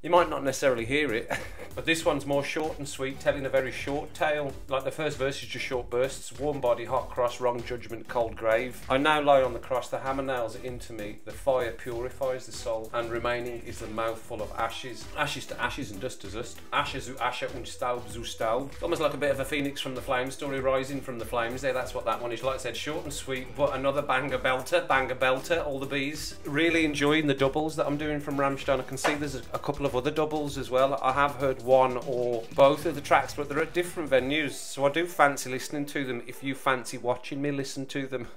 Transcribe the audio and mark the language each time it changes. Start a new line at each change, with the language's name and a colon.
English: You might not necessarily hear it, but this one's more short and sweet, telling a very short tale. Like the first verse is just short bursts. Warm body, hot cross, wrong judgment, cold grave. I now lie on the cross, the hammer nails into me. The fire purifies the soul, and remaining is the mouth full of ashes. Ashes to ashes and dust to dust.
German: Asche zu Asche und Staub zu Staub.
English: Almost like a bit of a Phoenix from the Flame story. Rising from the flames there, that's what that one is. Like I said, short and sweet, but another banger belter, all the bees. Really enjoying the doubles that I'm doing from Rammstein. I can see there's a couple of other doubles as well. I have heard one or both of the tracks, but they're at different venues, so I do fancy listening to them if you fancy watching me listen to them.